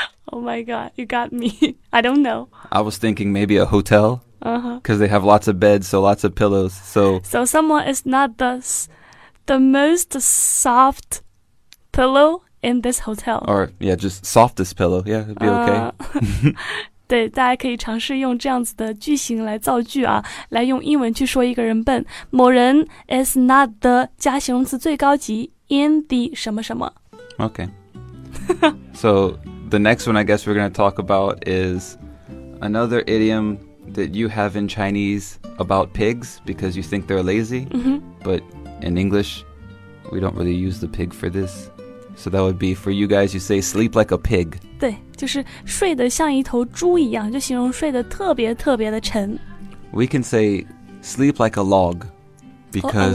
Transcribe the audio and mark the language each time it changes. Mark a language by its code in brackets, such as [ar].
[en] Oh my god, you got me. I don't know. I was thinking maybe a hotel. Uh-huh. Because they have lots of beds, so lots of pillows. So someone is not the most soft pillow in this hotel. Or, yeah, just softest pillow. Yeah, it'd be okay. [zh] 对，大家可以尝试用这样子的句型来造句啊，来用英文去说一个人笨。某人 [en] is not the [zh] 加形容词最高级 [en] in the [zh] 什么什么。 [en] Okay. So the next one I guess we're going to talk about is another idiom that you have in Chinese about pigs because you think they're lazy.、 Mm-hmm. But in English, we don't really use the pig for this. So that would be for you guys, you say sleep like a pig. [zh] 对，就是睡得像一头猪一样，就形容睡得特别特别的沉。 [en] We can say sleep like a log, because